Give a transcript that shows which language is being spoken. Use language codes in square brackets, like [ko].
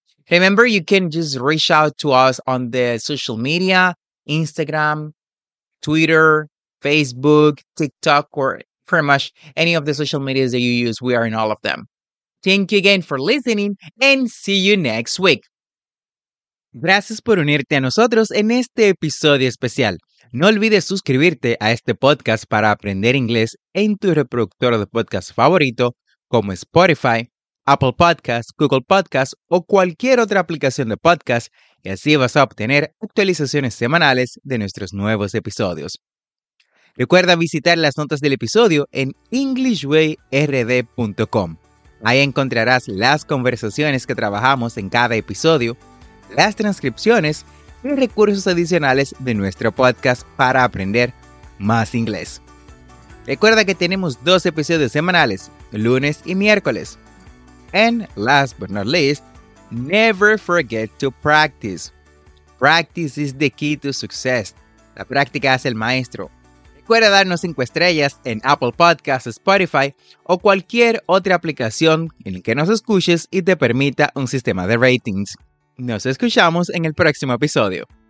[en] Remember, you can just reach out to us on the social media, Instagram, Twitter, Facebook, TikTok, or pretty much any of the social medias that you use. We are in all of them. Thank you again for listening and see you next week. [es] Gracias por unirte a nosotros en este episodio especial. No olvides suscribirte a este podcast para aprender inglés en tu reproductor de podcast favorito como Spotify, Apple Podcasts, Google Podcasts o cualquier otra aplicación de podcast y así vas a obtener actualizaciones semanales de nuestros nuevos episodios. Recuerda visitar las notas del episodio en EnglishWayRD.com. Ahí encontrarás las conversaciones que trabajamos en cada episodio, las transcripciones y recursos adicionales de nuestro podcast para aprender más inglés. Recuerda que tenemos dos episodios semanales, lunes y miércoles. [en] And last but not least, never forget to practice. Practice is the key to success. [es] La práctica hace el maestro. Recuerda darnos 5 estrellas en Apple Podcasts, Spotify o cualquier otra aplicación en la que nos escuches y te permita un sistema de ratings. Nos escuchamos en el próximo episodio.